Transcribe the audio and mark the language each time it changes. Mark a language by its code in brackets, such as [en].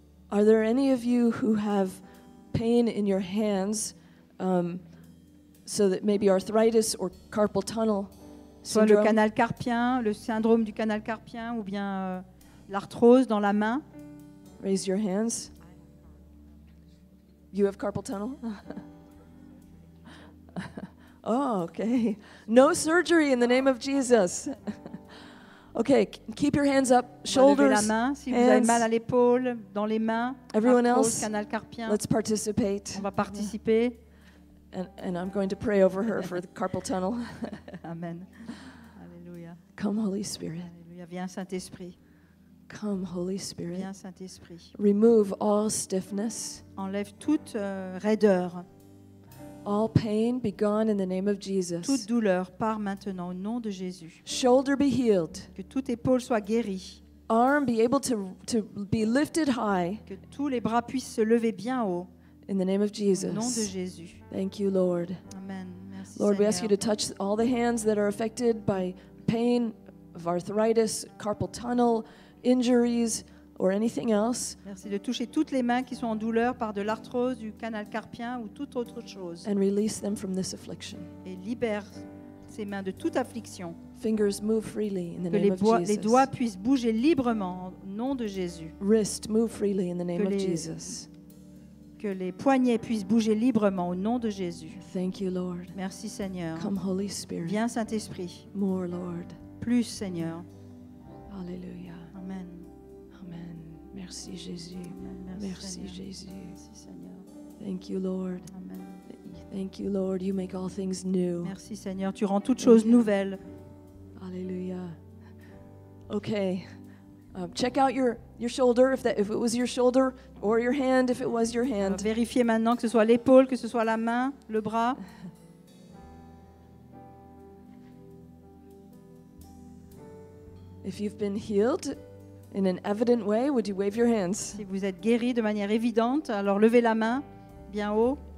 [en] Are there any of you who have pain in your hands? So that maybe arthritis or carpal tunnel syndrome. [fr] Soit le canal carpien, le syndrome du canal carpien, ou bien l'arthrose dans la main. [en] Raise your hands. You have carpal tunnel? Oh, okay. No surgery in the name of Jesus. Okay, keep your hands up. Shoulders. [fr] Levez la main si [en] hands. [fr] Vous avez mal à l'épaule, dans les mains. [en] Everyone [fr] arthrose, Canal carpien. [en] Let's participate. [fr] On va participer. Yeah. [en] And I'm going to pray over her for the carpal tunnel. Amen. Alléluia. Come Holy Spirit. [fr] Alléluia. Viens Saint-Esprit. [en] Come Holy Spirit. [fr] Viens Saint-Esprit. [en] Remove all stiffness. [fr] Enlève toute raideur. [en] All pain be gone in the name of Jesus. [fr] Toute douleur part maintenant au nom de Jésus. [en] Shoulder be healed. [fr] Que toute épaule soit guérie. [en] Arm be able to be lifted high. [fr] Que tous les bras puissent se lever bien haut. [en] In the name of Jesus. [fr] Au nom de Jésus. [en] Thank you, Lord. Amen. [fr] Merci, Lord, Seigneur. [en] We ask you to touch all the hands that are affected by pain, of arthritis, carpal tunnel, injuries, or anything else. [fr] Merci de toucher toutes les mains qui sont en douleur par de l'arthrose, du canal carpien ou toute autre chose. [en] And release them from this affliction. [fr] Et libère ces mains de toute affliction. [en] Fingers move freely in the [fr] que [en] name of Jesus. [fr] Que les doigts puissent bouger librement au nom de Jésus. [en] Wrist move freely in the name of Jesus. [fr] Que les poignets puissent bouger librement au nom de Jésus. [en] Thank you, Lord. [fr] Merci, Seigneur. [en] Come, Holy Spirit. [fr] Viens, Saint-Esprit. [en] More, Lord. [fr] Plus, Seigneur. Alléluia. Amen. Amen. Merci, Jésus. Amen. Merci, Seigneur. Jésus. Merci, Seigneur. [en] Thank you, Lord. Amen. Thank you, Lord. You make all things new. [fr] Merci, Seigneur. Tu rends toutes choses nouvelles. Alléluia. Okay. [en] Check out your shoulder if it was your shoulder or your hand if it was your hand. [fr] Vérifiez maintenant que ce soit l'épaule, que ce soit la main, le bras. [en] If you've been healed in an evident way, would you wave your hands? [fr] Si vous êtes guéri de manière évidente, alors levez la main bien haut.